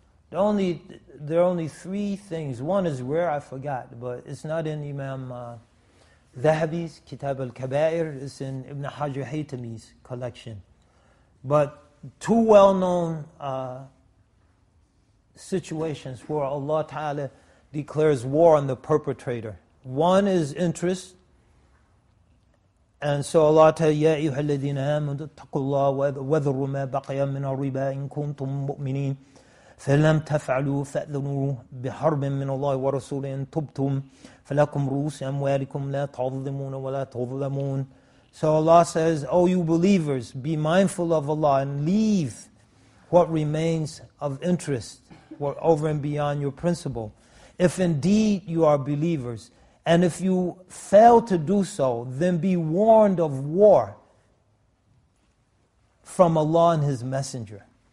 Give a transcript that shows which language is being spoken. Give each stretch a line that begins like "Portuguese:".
English: There are only three things. One is rare, I forgot, but it's not in Imam Zahabi's Kitab al-Kaba'ir, it's in Ibn Hajar Haytami's collection. But two well-known situations where Allah Ta'ala declares war on the perpetrator. One is interest. And so Allah Ta'ala,
Arabic: يَا أَيُّهَا الَّذِينَ آمَنُوا اتَّقُوا اللَّهَ وَذَرُوا مَا بَقِيَ مِنَ الرِّبَا إِن كُنتُم مُؤْمِنِينَ فَلَمْ تَفْعَلُوا فَأْذَنُوا بِحَرْبٍ مِنَ اللَّهِ وَرَسُولِهِ إِن تُبْتُمْ فَلَكُمْ رُؤُوسُ أَمْوَالِكُمْ لَا تَظْلِمُونَ وَلَا تُظْلَمُونَ.
English: So Allah says, O you believers, be mindful of Allah and leave what remains of interest over and beyond your principle. If indeed you are believers, and if you fail to do so, then be warned of war from Allah and His Messenger.